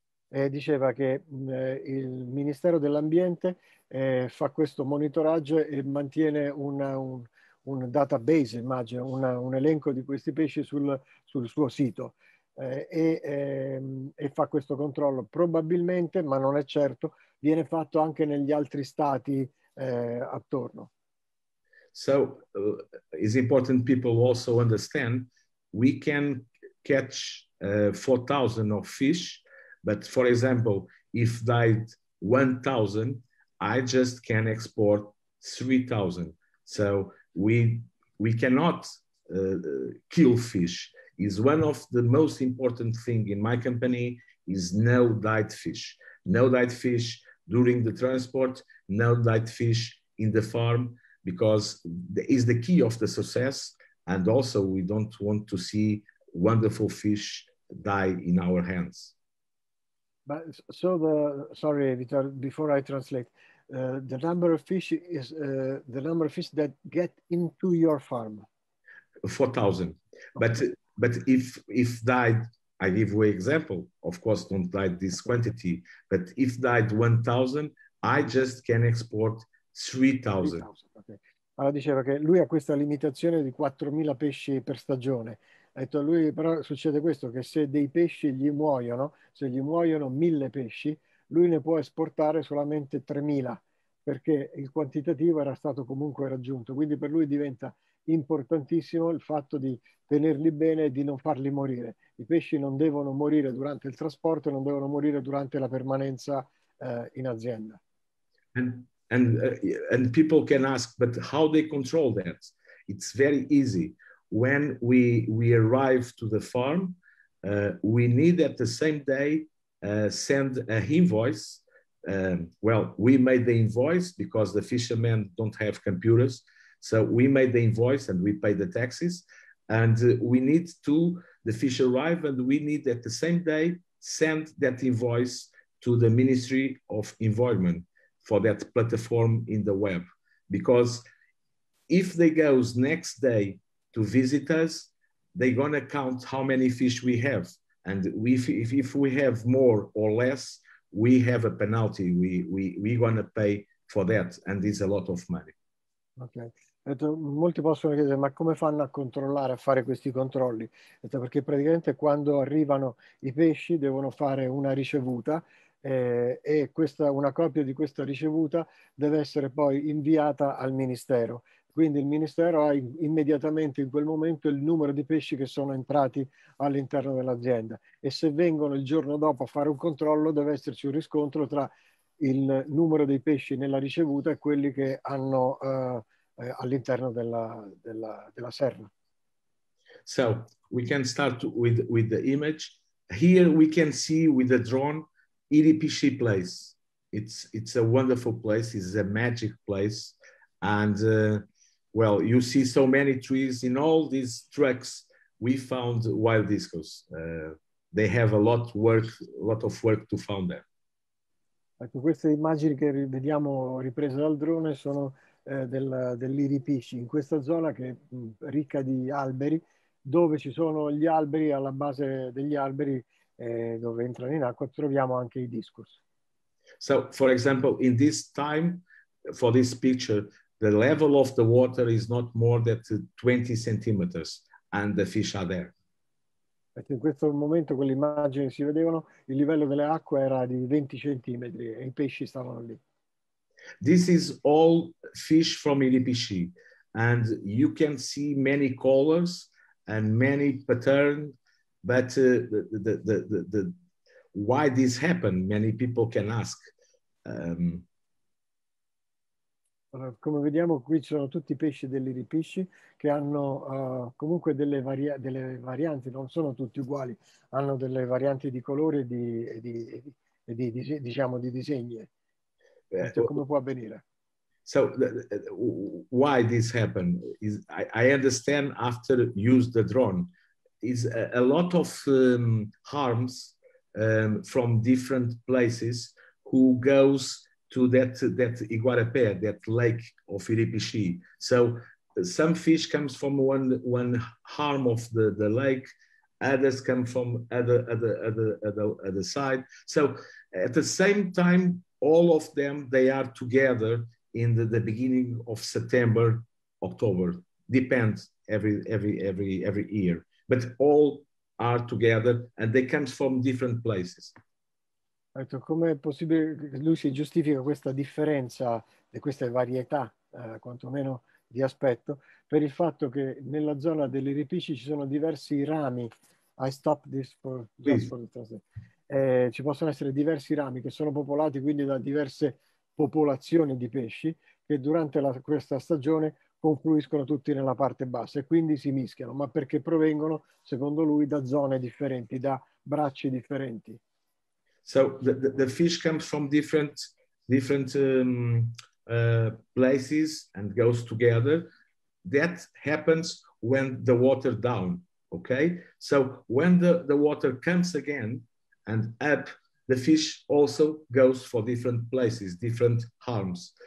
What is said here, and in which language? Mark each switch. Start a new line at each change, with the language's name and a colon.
Italian: Diceva che il Ministero dell'Ambiente fa questo monitoraggio e mantiene un database, immagino, un elenco di questi pesci sul suo sito e fa questo controllo. Probabilmente, ma non è certo, viene fatto anche negli altri stati attorno.
English: So, it's important people also understand, we can catch 4,000 of fish, but for example, if died 1,000, I just can export 3,000. So we cannot kill fish. It's one of the most important thing in my company is no died fish. No died fish during the transport, no died fish in the farm, because it's the key of the success. And also we don't want to see wonderful fish die in our hands. But so sorry, Vital, before I translate, the number of fish is the number of fish that get into your farm. 4,000. Okay. But if died, I give you an example, of course, don't die this quantity, but if died 1,000, I just can export 3,000. Okay.
Italian: Allora diceva che lui ha questa limitazione di 4,000 pesci per stagione. Ha detto lui, però succede questo, che se dei pesci gli muoiono, se gli muoiono 1,000 pesci, lui ne può esportare solamente 3,000, perché il quantitativo era stato comunque raggiunto. Quindi per lui diventa importantissimo il fatto di tenerli bene e di non farli morire. I pesci non devono morire durante il trasporto, non devono morire durante la permanenza in azienda.
English: And people can ask, but how they control that? It's very easy. When we arrive to the farm, we need at the same day send an invoice. Well, we made the invoice because the fishermen don't have computers. So we made the invoice and we paid the taxes. And we need to, the fish arrive and we need at the same day send that invoice to the Ministry of Environment for that platform in the web. Because if they go next day to visit us, they're gonna count how many fish we have. And if we have more or less, we have a penalty. We're gonna pay for that, and it's a lot of money. Okay.
Italian: Detto, molti possono chiedere, ma come fanno a controllare, a fare questi controlli? Detto, perché praticamente quando arrivano i pesci devono fare una ricevuta e questa una copia di questa ricevuta deve essere poi inviata al ministero. Quindi il ministero ha immediatamente in quel momento il numero di pesci che sono entrati all'interno dell'azienda e se vengono il giorno dopo a fare un controllo deve esserci un riscontro tra il numero dei pesci nella ricevuta e quelli che hanno all'interno della serra.
English: So we can start with the image. Here we can see with the drone Iripishi place. It's a wonderful place, it's a magic place and well, you see so many trees in all these tracks. We found wild discos. They have a lot of work to find them.
Italian: Ecco, queste immagini che vediamo riprese dal drone sono dell'Iripishi, in questa zona che è ricca di alberi, dove ci sono gli alberi, alla base degli alberi, dove entrano in acqua, troviamo anche i discos.
English: So, for example, in this time, for this picture, the level of the water is not more than 20 centimeters and the fish are there.
Italian: In questo momento quelle immagini si vedevano, il livello delle acque era di 20 centimetri e i pesci stavano lì.
English: This is all fish from Iripishi and you can see many colors and many patterns, but the why this happened, many people can ask.
Italian: Come vediamo qui ci sono tutti i pesci dell'Iripishi che hanno comunque delle varianti, non sono tutti uguali, hanno delle varianti di colore e di disegni. Come può avvenire?
English: So, why this happened? I understand after use the drone. Is a lot of harms from different places who goes to that Iguarapé, that lake of Iripixi. So some fish comes from one arm of the lake, others come from other side. So at the same time, all of them, they are together in the beginning of September, October, depends every year, but all are together and they come from different places.
Italian: Ecco, come è possibile, lui si giustifica questa differenza e questa varietà, quantomeno di aspetto, per il fatto che nella zona delle ripici ci sono diversi rami.
English: I stop this for please.
Italian: Ci possono essere diversi rami che sono popolati quindi da diverse popolazioni di pesci che durante questa stagione confluiscono tutti nella parte bassa e quindi si mischiano, ma perché provengono, secondo lui, da zone differenti, da bracci differenti.
English: So the fish comes from different places and goes together. That happens when the water down, okay? So when the water comes again and up, the fish also goes for different places, different arms.